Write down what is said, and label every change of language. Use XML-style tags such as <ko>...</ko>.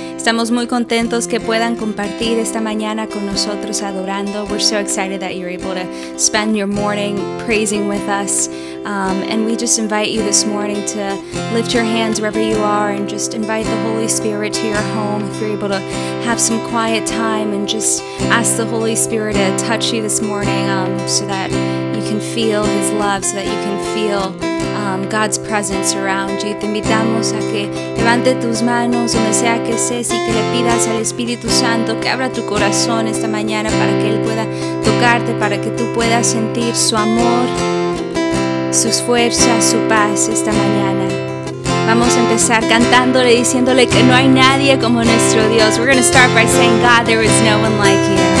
<es>Estamos muy contentos que puedan compartir esta mañana con nosotros adorando.</es> <en>We're so excited that you're able to spend your morning praising with us. And we just invite you this morning to lift your hands wherever you are and just invite the Holy Spirit to your home. If you're able to have some quiet time and just ask the Holy Spirit to touch you this morning so that you can feel His love, so that you can feel God's presence around you.</en> <es>Te invitamos a que levante tus manos donde sea que estés y que le pidas al Espíritu Santo que abra tu corazón esta mañana para que Él pueda tocarte, para que tú puedas sentir su amor, sus fuerzas, su paz esta mañana. Vamos a empezar cantándole, diciéndole que no hay nadie como nuestro Dios.</es> <en>We're going to start by saying, God, there is no one like you.</en>